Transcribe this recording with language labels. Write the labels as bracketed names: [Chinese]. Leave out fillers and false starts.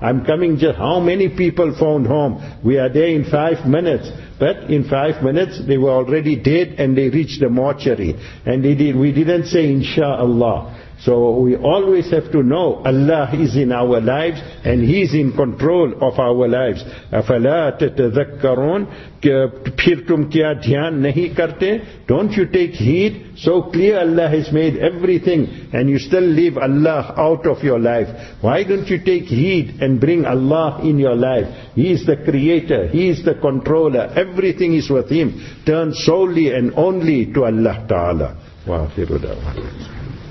[English] I'm coming just, how many people phoned home? We are there in 5 minutes. But in 5 minutes, they were already dead and they reached the mortuary. And we didn't say, inshallah. So we always have to know Allah is in our lives and He is in control of our lives. [Arabic] أَفَلَا تَتَذَكَّرُونَ [Urdu] پھر تم کیا دھیان نہیں کرتے. [English] Don't you take heed? So clear Allah has made everything and you still leave Allah out of your life. Why don't you take heed and bring Allah in your life? He is the creator. He is the controller. Everything is with Him. Turn solely and only to Allah Ta'ala. [Arabic] وَآخِرُ دَوَانَ